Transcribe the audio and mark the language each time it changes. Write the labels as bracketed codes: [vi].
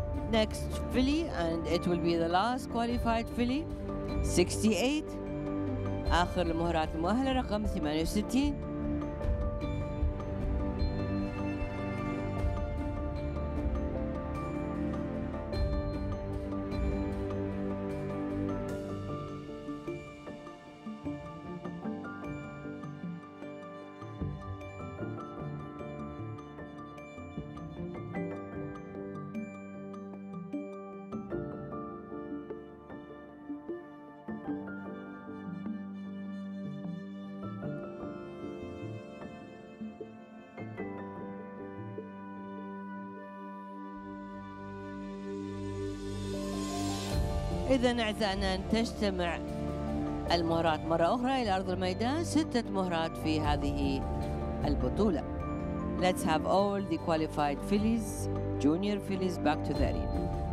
[en] Next filly, and it will be the last qualified filly, 68. [ar] آخر المهرات المؤهلة رقم 68. إذن أعزائنا أن تجتمع المهرات مرة أخرى إلى أرض الميدان، 6 مهرات في هذه البطولة. [en] Let's have all the qualified fillies, junior fillies back to the arena.